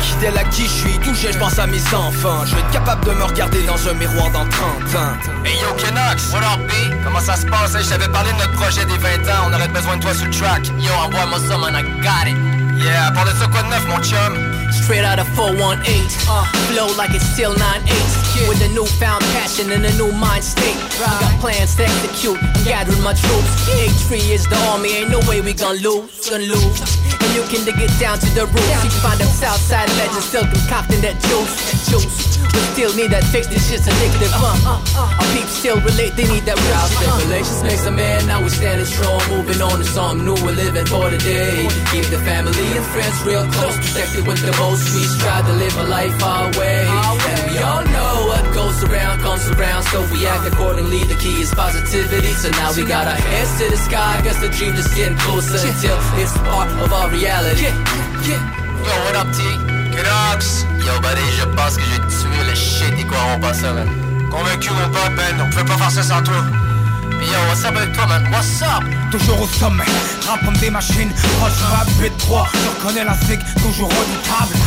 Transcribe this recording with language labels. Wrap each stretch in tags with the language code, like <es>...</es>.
<fr>Fidèle à qui je suis, d'où je pense à mes enfants. Je vais être capable de me regarder dans un miroir dans 30 ans.</fr> <en>Hey yo Kenox, what up B?</en> <fr>Comment ça se passe? Je t'avais parlé de notre projet des 20 ans. On aurait besoin de toi sur le track. Yo, envoie-moi ça, man,</fr> <en>I got it.</en> <fr>Yeah, parle de ça quoi de neuf, mon chum?</fr> <en>Straight out of 418, flow like it's still 98. Yeah. With a newfound passion and a new mind state. Right. I got plans to execute, I'm gathering my troops. H3 is the army, ain't no way we gon' lose. Gonna lose. And you can dig it down to the roots. You can find them Southside legends still concocting that juice. Juice. We still need that fix, this shit's addictive. Our peeps still relate, they need that real shit. Relations makes a man, now we're standing strong. Moving on to something new, we're living for today. Keep the family and friends real close. Protect it with the most. We strive to live a life our way. And we all know what goes around comes around. So we act accordingly, the key is positivity. So now we got our heads to the sky. Guess the dream is getting closer until it's part of our reality. Yo, what up, T? Kidox!</en> <fr>Yo, buddy, je pense que j'ai tué le shit des quoi on passe, man. Convaincu, mon pote, Ben, on pouvait pas faire ça sans toi.</fr> <en>Yo, what's up</en> <fr>avec toi,</fr> <en>man? What's up?</en> <fr>Toujours au sommet, rampant des machines. Proche rap, B3, je reconnais la zig, toujours redoutable.</fr>